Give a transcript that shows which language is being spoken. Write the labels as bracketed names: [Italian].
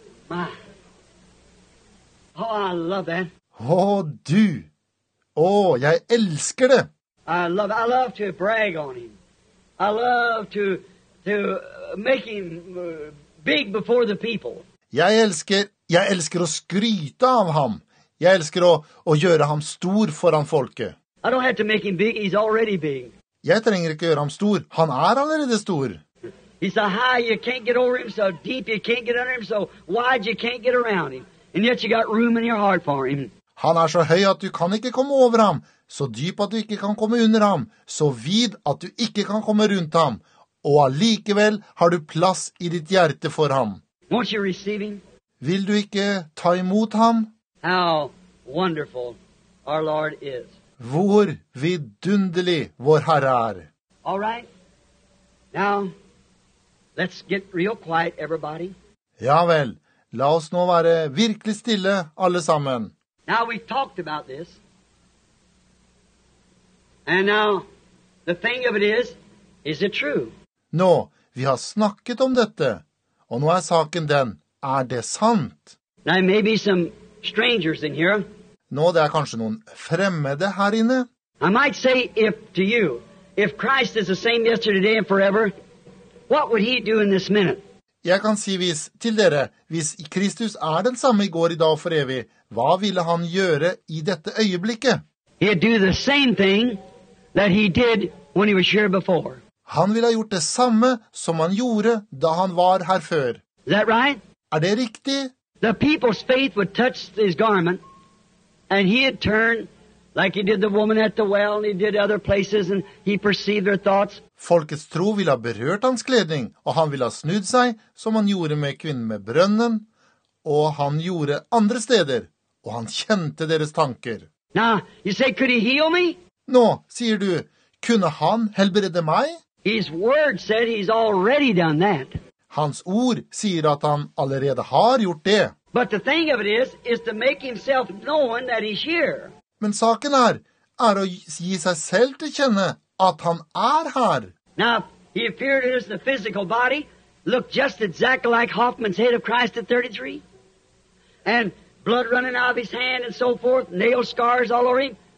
[English] Oh, oh, I love that. [Norwegian] Å, du! Å, jeg elsker det! [English] I love to brag on him. I love to make him big before the people. [Norwegian] Jeg elsker å skryte av ham. Jeg elsker å gjøre ham stor foran folket. [English] I don't have to make him big, he's already big. [Norwegian] Jeg trenger ikke gjøre ham stor. Han allerede stor. [English] He's so high you can't get over him, so deep you can't get under him, so wide you can't get around him. And yet you got room in your heart for him. [Norwegian] Han så høy at du kan ikke komme over ham, så dyp at du ikke kan komme under ham, så vid at du ikke kan komme rundt ham, og allikevel har du plass i ditt hjerte for ham. [English] Won't you receive him? [Norwegian] Vil du ikke ta imot ham? [English] How wonderful our Lord is. [Norwegian] Hvor vidunderlig vår Herre er. [English] All right. Now, let's get real quiet, everybody. [Norwegian] Ja vel, la oss nå være virkelig stille, alle sammen. [English] Now we've talked about this. And now, the thing of it is it true? [Norwegian] Nå, Vi har snakket om dette. Og nå er saken den. Er det sant? [English] There may be some strangers in here. [Norwegian] Nå, det er kanskje noen fremmede her inne. [English] I might say if to you, if Christ is the same yesterday, today and forever, what would he do in this minute? [Norwegian] Jeg kan si hvis til dere, hvis Kristus er den samme i går, i dag og for evig, hva ville han gjøre i dette øyeblikket? [English] He'd do the same thing that he did when he was here before. [Norwegian] Han ville ha gjort det samme som han gjorde da han var her før. [English] Is that right? [Norwegian] Er det riktig? [English] The people's faith would touch his garment, and he'd turn like he did the woman at the well, and he did other places, and he perceived their thoughts. [Norwegian] Folkets tro ville ha berørt hans kledning, og han ville ha snudd seg, som han gjorde med kvinnen med brønnen, og han gjorde andre steder, og han kjente deres tanker. [English] Now, you say, could he heal me? [Norwegian] Nå, sier du, kunne han helbrede meg? [English] His word said he's already done that. [Norwegian] Hans ord sier at han allerede har gjort det. [English] But the thing of it is to make himself known that he's here. [Norwegian] Men saken er å gi seg selv til kjenne at han er her. [English] Now, he appeared in the physical body, looked just exactly like Hoffman's head of Christ at 33, and blood running out of his hand and so forth, nail scars all over him.